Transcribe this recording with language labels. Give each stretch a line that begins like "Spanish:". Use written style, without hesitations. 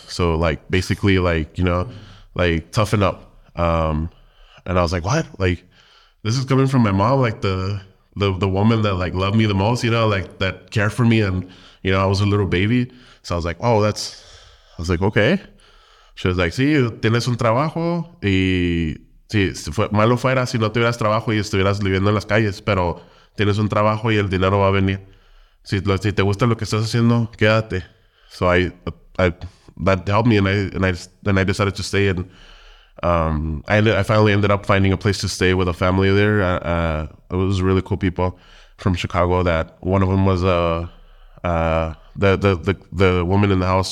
English: So, like, basically, like, you know, like, toughen up. And I was like, what? Like, this is coming from my mom, like, the woman that, like, loved me the most, you know, like, that cared for me, and, you know, I was a little baby. So I was like, oh, that's, I was like, okay. She was like,
Spanish: sí, tienes un trabajo, y sí, malo fuera si no tuvieras trabajo y estuvieras viviendo en las calles, pero tienes un trabajo y el dinero va a venir. Si te gusta lo que estás haciendo, quédate.
English: So I that helped me, and I decided to stay, and I finally ended up finding a place to stay with a family there. It was really cool people from Chicago. That one of them was the woman in the house.